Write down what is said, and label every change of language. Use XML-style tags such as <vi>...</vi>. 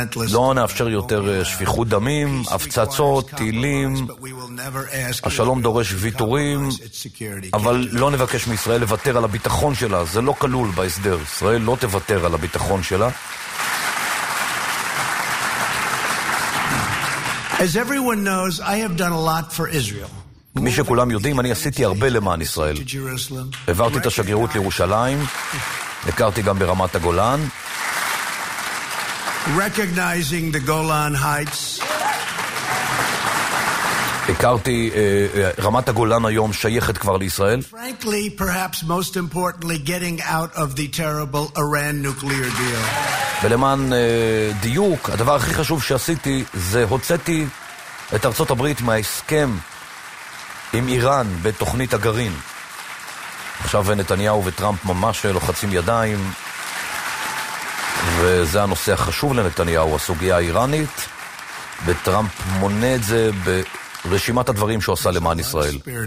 <he>לא נאפשר יותר שפיכות דמים, הפצצות, טילים. השלום דורש ויתורים, אבל לא נבקש מישראל לוותר על הביטחון שלה. זה לא כלול בהסדר. ישראל לא תוותר על הביטחון שלה.</he> <en>As everyone knows, I have done a lot for Israel.</en> <he>כמי שכולם יודעים, אני עשיתי הרבה למען ישראל. העברתי את השגרירות לירושלים, הכרתי גם ברמת הגולן.</he> <en>Recognizing the Golan Heights.</en> <he>הכרתי, רמת הגולן היום שייכת כבר לישראל.</he> <en>Frankly, perhaps most importantly, getting out of the terrible Iran nuclear deal.</en> <he>ולמען דיוק, הדבר הכי חשוב שעשיתי זה הוצאתי את ארצות הברית מההסכם עם איראן בתוכנית הגרעין. עכשיו נתניהו וטראמפ ממש לוחצים ידיים, וזה הנושא החשוב לנתניהו, הסוגיה האיראנית, וטראמפ מונה את זה ברשימת הדברים שהוא עשה למען ישראל.</he>